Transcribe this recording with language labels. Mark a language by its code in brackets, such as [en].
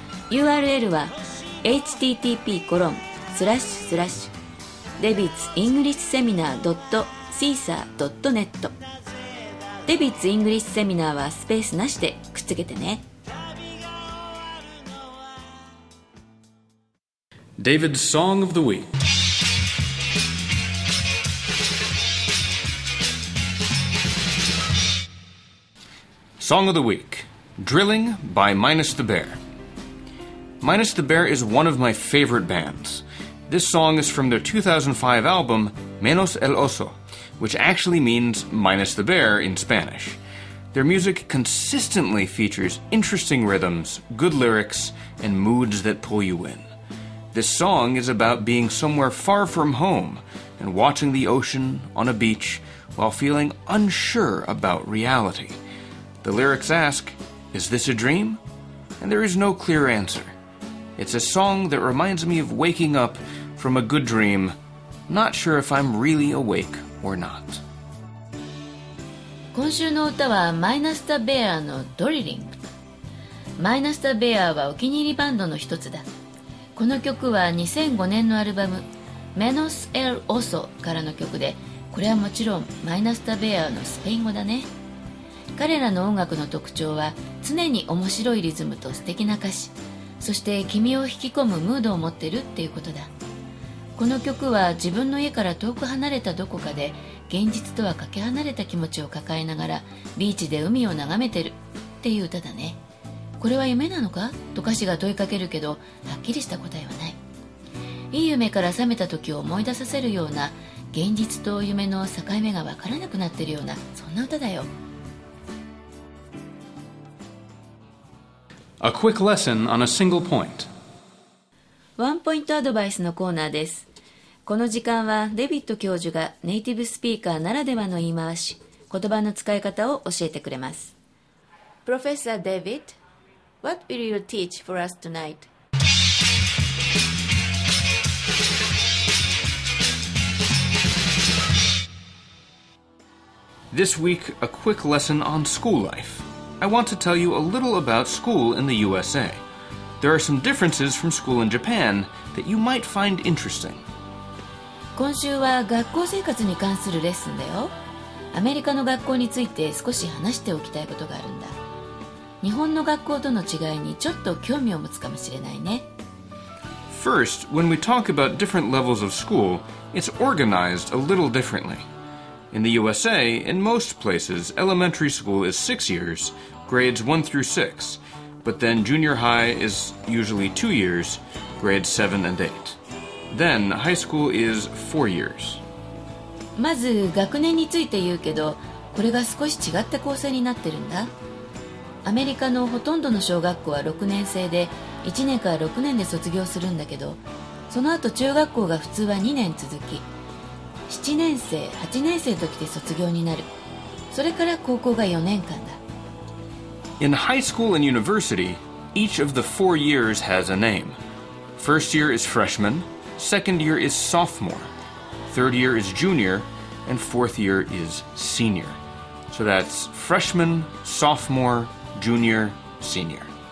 [ja] URL は http://debitsenglishseminar.caesar.net。デビッツイングリッシュセミナーはスペースなしでくっつけてね。 [en] デビッツ Song of the Week。 Song of the Week, Drilling by Minus the Bear. Minus the Bear is one of my favorite bands. This song is from their 2005 album, Menos el Oso, which actually means Minus the Bear in Spanish. Their music consistently features interesting rhythms, good lyrics, and moods that pull you in. This song is about being somewhere far from home and watching the ocean on a beach while feeling unsure about reality. The lyrics ask, is this a dream? And there is no clear answer. It's a song that reminds me of waking up from a good dream, not sure if I'm really awake or not. [ja] 今週の歌はマイナスタベアのドリリング。マイナスタベアはお気に入りバンドの一つだ。この曲は2005年のアルバム Menos el Oso からの曲で、これはもちろんマイナスタベアのスペイン語だね。彼らの音楽の特徴は常に面白いリズムと素敵な歌詞、そして君を引き込むムードを持ってるっていうことだ。この曲は自分の家から遠く離れたどこかで、現実とはかけ離れた気持ちを抱えながらビーチで海を眺めてるっていう歌だね。これは夢なのかと歌詞が問いかけるけど、はっきりした答えはない。いい夢から覚めた時を思い出させるような、現実と夢の境目が分からなくなってるような、そんな歌だよ。 [en] A quick lesson on a single point. [ja] ワンポイントアドバイスのコーナーです。この時間はデビッド教授がネイティブスピーカーならではの言い回し、言葉の使い方を教えてくれます。 [en] プロフェッサーデビッド、What will you teach for us tonight? This week, a quick lesson on school life. I want to tell you a little about school in the USA. There are some differences from school in Japan that you might find interesting. [ja] 今週は学校生活に関するレッスンだよ。アメリカの学校について少し話しておきたいことがあるんだ。日本の学校との違いにちょっと興味を持つかもしれないね。 [en] First, when we talk about different levels of school, it's organized a little differently. In the USA, in most places, elementary school is 6 years, grades 1 through 6, but then junior high is usually 2 years, grades 7 and 8. Then high school is 4 years. [ja] まず学年について言うけど、これが少し違った構成になってるんだ。アメリカのほとんどの小学校は6年制で、1年から6年で卒業するんだけど、その後中学校が普通は2年続き、7年生、8年生の時で卒業になる。それから高校が4年間だ。 [en] In high school and university, each of the 4 years has a name. First year is freshman, second year is sophomore, third year is junior, and fourth year is senior. So that's freshman, sophomore, junior, senior.